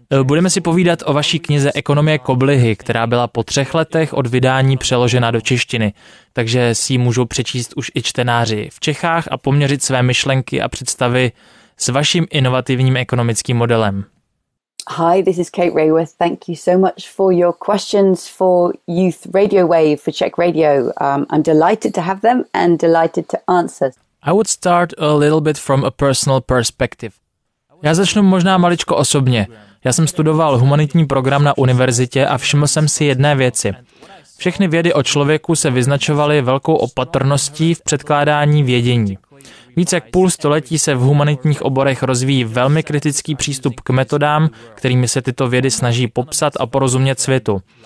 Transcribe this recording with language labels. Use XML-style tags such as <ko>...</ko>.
<cs>Budeme si povídat o vaší knize Ekonomie koblihy, která byla po 3 letech od vydání přeložena do češtiny, takže si ji můžou přečíst už i čtenáři v Čechách a poměřit své myšlenky a představy s vaším inovativním ekonomickým modelem.</cs> <en>Hi, this is Kate Raworth. Thank you so much for your questions for Youth Radio Wave for Czech Radio. I'm delighted to have them and delighted to answer. I would start a little bit from a personal perspective.</en> <cs>Já začnu možná maličko osobně. Já jsem studoval humanitní program na univerzitě a všiml jsem si jedné věci. Všechny vědy o člověku se vyznačovaly velkou opatrností v předkládání vědění. Více jak půl století se v humanitních oborech rozvíjí velmi kritický přístup k metodám, kterými se tyto vědy snaží popsat a porozumět světu.</cs>